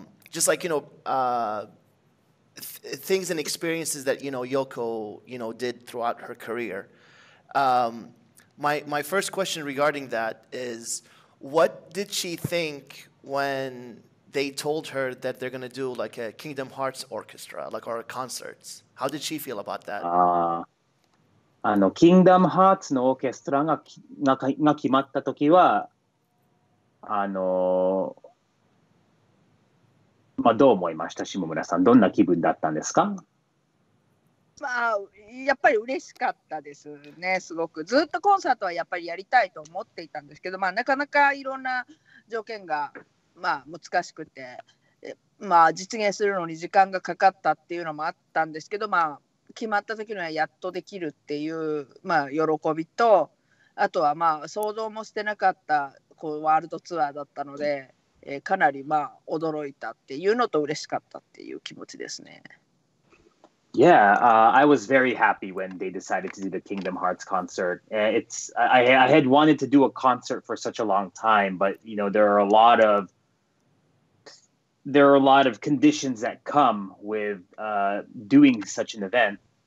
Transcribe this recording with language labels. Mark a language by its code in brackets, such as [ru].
[en] Just like, you know, things and experiences that, you know, Yoko, you know, did throughout her career. My first question regarding that is, what did she think when they told her that they're going to do like a Kingdom Hearts orchestra, like, or concerts? How did she feel about that? [ja] キングダムハーツのオーケストラ が決まったときは、まあ、どう思いました、下村さん。どんな気分だったんですか？まあ、やっぱり嬉しかったですね、すごく。ずっとコンサートはやっぱりやりたいと思っていたんですけど、まあ、なかなかいろんな条件が、まあ、難しくて、まあ、実現するのに時間がかかったっていうのもあったんですけど、まあ決まった時にはやっとできるっていう、まあ、喜びと、あとはまあ想像もしてなかったこうワールドツアーだったので、かなりまあ驚いたっていうのと嬉しかったっていう気持ちですね。 [en] Yeah, I was very happy when they decided to do the Kingdom Hearts concert. I had wanted to do a concert for such a long time, but you know, there are a lot of conditions that come with doing such an event.